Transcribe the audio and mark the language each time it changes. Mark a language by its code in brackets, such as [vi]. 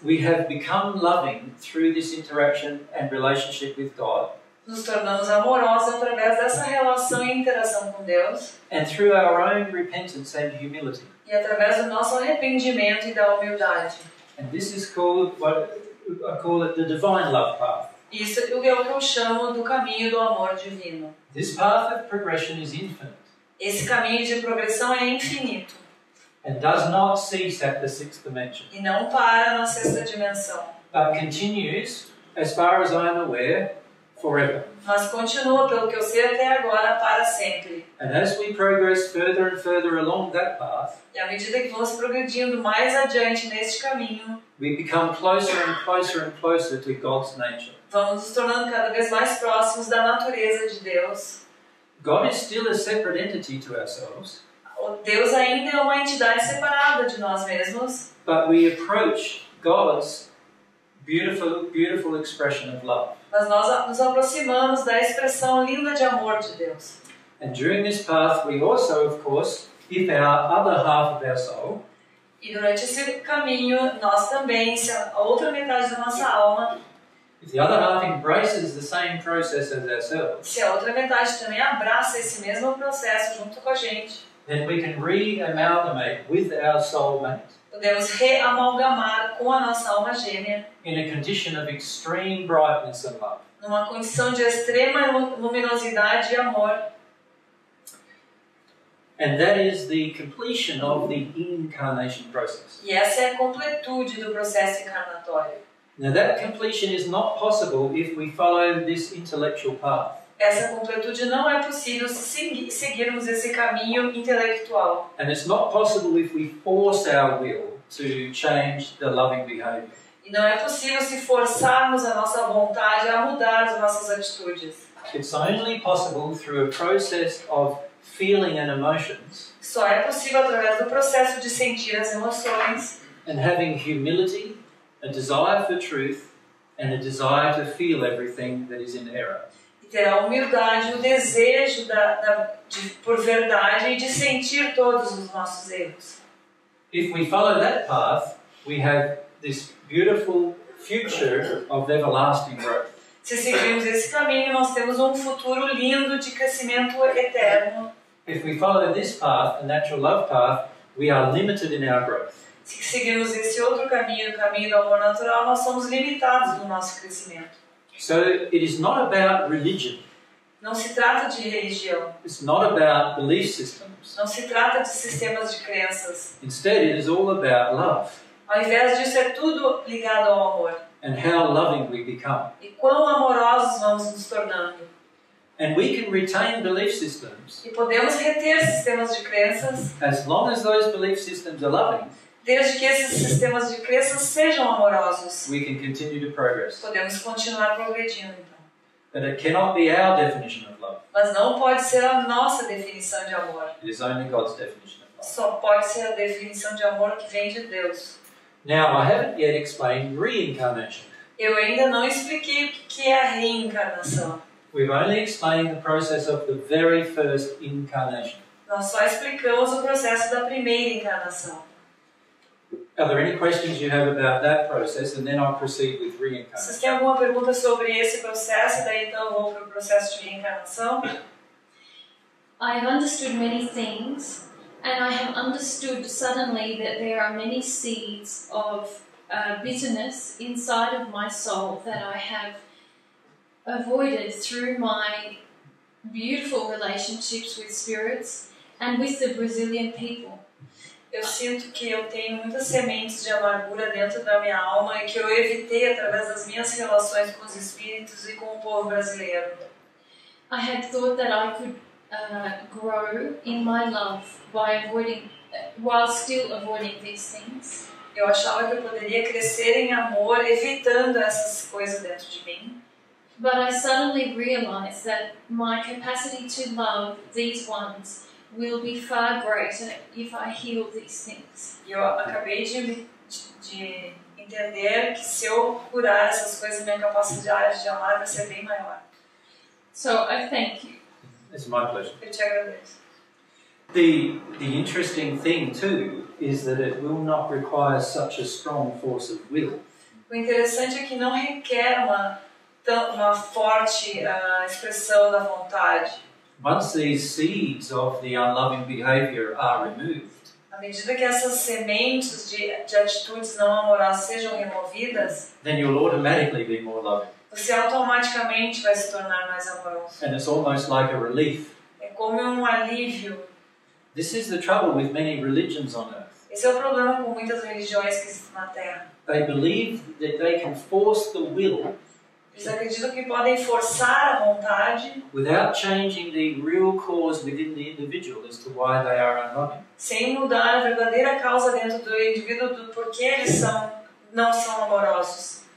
[en] we have become loving through this interaction and relationship with God. [pt] Nos tornamos amorosos através dessa relação e interação com Deus. [en] And through our own repentance and humility. [pt] E através do nosso arrependimento e da humildade. [en] And this is called what I call it the divine love path. [pt] Isso é o que eu chamo do caminho do amor divino. [en] This path of progression is infinite. [pt] Esse caminho de progressão é infinito. [en] And does not cease at the sixth dimension. [pt] E não para na sexta dimensão. [en] But continues, as far as I am aware, forever. [pt] Mas continua, pelo que eu sei até agora, para sempre. [en] And as we progress further and further along that path, [pt] e à medida que vamos progredindo mais adiante neste caminho, [en] we become closer and closer and closer to God's nature. [pt] Vamos nos tornando cada vez mais próximos da natureza de Deus. [en] God is still a separate entity to ourselves. [pt] Deus ainda é uma entidade separada de nós mesmos. [en] But we approach God's beautiful, beautiful expression of love. [pt] Mas nós nos aproximamos da expressão linda de amor de Deus. [en] And during this path, we also, of course, if there are other half of our soul, [pt] e durante esse caminho, nós também, se a outra metade da nossa alma, [en] if the other half embraces the same process as ourselves, [pt] se a outra metade também abraça esse mesmo processo junto com a gente, [en] then we can re-amalgamate with our soulmate. [pt] Podemos reamalgamar com a nossa alma gêmea [en] in a condition of extreme brightness and love. [pt] Numa condição de extrema luminosidade e amor. [en] And that is the completion of the incarnation process. [pt] E essa é a completude do processo encarnatório. [en] Now that completion is not possible if we follow this intellectual path. [pt] Essa completude não é possível se seguirmos esse caminho intelectual. [en] And it's not possible if we force our will to change the loving behavior. [pt] E não é possível se forçarmos a nossa vontade a mudar as nossas atitudes. [en] It's only possible through a process of feeling and emotions. [pt] Só é possível através do processo de sentir as emoções. [en] And having humility, a desire for truth, and a desire to feel everything that is in error. [pt] Ter a humildade, o desejo por verdade e de sentir todos os nossos erros. [en] If we follow that path, we have this beautiful future of everlasting growth. [pt] Se seguirmos esse caminho, nós temos um futuro lindo de crescimento eterno. [en] If we follow this path, the natural love path, we are limited in our growth. [pt] Se seguirmos esse outro caminho, o caminho do amor natural, nós somos limitados no nosso crescimento. [en] So it is not about religion. [pt] Não se trata de religião. [en] It's not about belief systems. [pt] Não se trata de sistemas de crenças. [en] Instead, it is all about love. [pt] Ao invés disso, é tudo ligado ao amor. [en] And how loving we become. [pt] E quão amorosos vamos nos tornando. [en] And we can retain belief systems. [pt] E podemos reter sistemas de crenças. [en] As long as those belief systems are loving. [pt] Desde que esses sistemas de crenças sejam amorosos, [en] we can continue to progress. [pt] Podemos continuar progredindo, então. [en] But it cannot be our definition of love. [pt] Mas não pode ser a nossa definição de amor. [en] It is only God's definition of love. [pt] Só pode ser a definição de amor que vem de Deus. [en] Now, I haven't yet explained reincarnation. [pt] Eu ainda não expliquei o que é a reencarnação. [en] We've only explained the process of the very first incarnation. [pt] Nós só explicamos o processo da primeira encarnação. [en] Are there any questions you have about that process, and then I'll proceed with reincarnation? [pt] Vocês têm alguma pergunta sobre esse processo, daí então vou para o processo de reencarnação? [en] I have understood many things, and I have understood suddenly that there are many seeds of bitterness inside of my soul that I have avoided through my beautiful relationships with spirits and with the Brazilian people. [pt] Eu sinto que eu tenho muitas sementes de amargura dentro da minha alma e que eu evitei através das minhas relações com os espíritos e com o povo brasileiro. [en] I had thought that I could grow in my love by avoiding, while still avoiding these things. [pt] Eu achava que eu poderia crescer em amor evitando essas coisas dentro de mim. [en] But I suddenly realized that my capacity to love these ones will be far greater if I heal these things. [pt] Eu acabei de entender que se eu curar essas coisas, minha capacidade de amar vai ser bem maior. [en] So, I thank you. It's my pleasure. [pt] Eu te agradeço. [en] The interesting thing, too, is that it will not require such a strong force of will. [pt] O interessante é que não requer uma forte expressão da vontade. [en] Once these seeds of the unloving behavior are removed, [pt] à medida que essas sementes de atitudes não amorosas sejam removidas, [en] then you'll automatically be more loving. [pt] Você automaticamente vai se tornar mais amoroso. [en] And it's almost like a relief. [pt] É como um alívio. [en] This is the trouble with many religions on earth. [pt] Esse é o problema com muitas religiões que existem na Terra. [en] They believe that they can force the will. [pt] Eles acreditam que podem forçar a vontade [en] without changing the real cause within the individual as to why they are unloving. [pt] Sem mudar a verdadeira causa dentro do indivíduo do porquê eles não são amorosos.